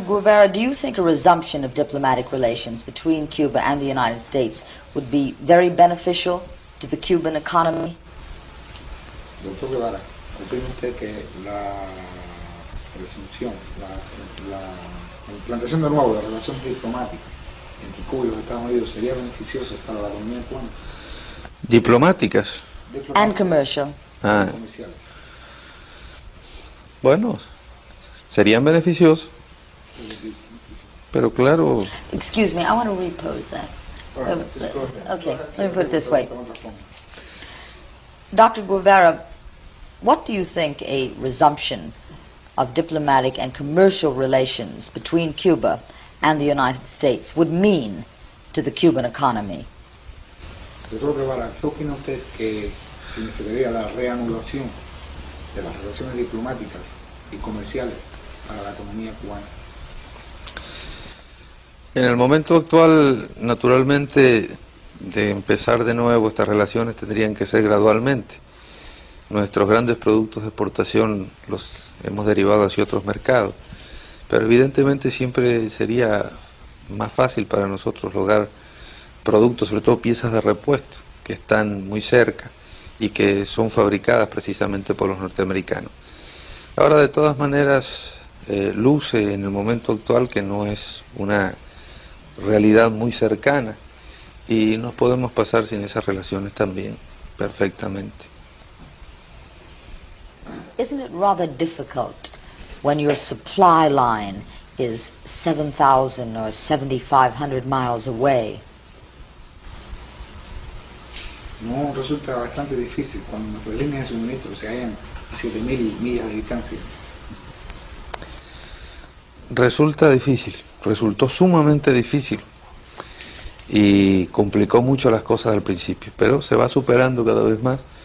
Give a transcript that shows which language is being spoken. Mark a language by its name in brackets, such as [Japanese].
[English] Guevara, do you think a resumption of diplomatic relations between Cuba and the United States would be very beneficial to the Cuban economy? [Spanish] Doctor Guevara, ¿opina usted que la resumción, la implantación de nuevo de relaciones diplomáticas entre Cuba y los Estados Unidos sería beneficioso para la economía cubana? ¿Diplomáticas? [English] And commercial. [Spanish] Ah. Comerciales. Bueno, serían beneficiosos. Pero claro. [English] Excuse me, I want to repose that. Right, okay, let me put it this way. Dr. Guevara, what do you think a resumption of diplomatic and commercial relations between Cuba and the United States would mean to the Cuban economy? [Spanish] Doctor Guevara, ¿qué opina usted que significaría la reanulación de las relaciones diplomáticas y comerciales para la economía cubana? En el momento actual, naturalmente, de empezar de nuevo estas relaciones tendrían que ser gradualmente. Nuestros grandes productos de exportación los hemos derivado hacia otros mercados, pero evidentemente siempre sería más fácil para nosotros lograr productos, sobre todo piezas de repuesto, que están muy cerca y que son fabricadas precisamente por los norteamericanos. Ahora, de todas maneras, luce en el momento actual que no es una realidad muy cercana y nos podemos pasar sin esas relaciones también perfectamente. [English] Isn't it rather difficult when your supply line is 7,000 or 7,500 miles away? [Spanish] No, resulta bastante difícil cuando nuestras líneas de suministro se hallan a 7,000 millas de distancia. Resulta difícil, resultó sumamente difícil y complicó mucho las cosas al principio, pero se va superando cada vez más.